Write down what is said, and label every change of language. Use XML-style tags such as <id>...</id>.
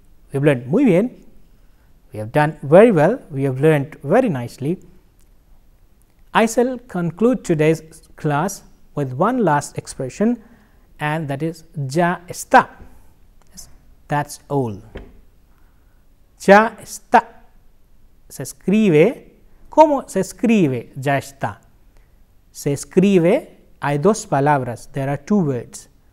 <en>We have learned</en> <es>muy bien,</es> <en>we have done very well, we have learned very nicely. I shall conclude today's class with one last expression, and that is ya está, that's all.</en> <es>Ya está, se escribe, ¿cómo se escribe ya está? Se escribe, hay dos palabras,</es> <en>there are two words.</en>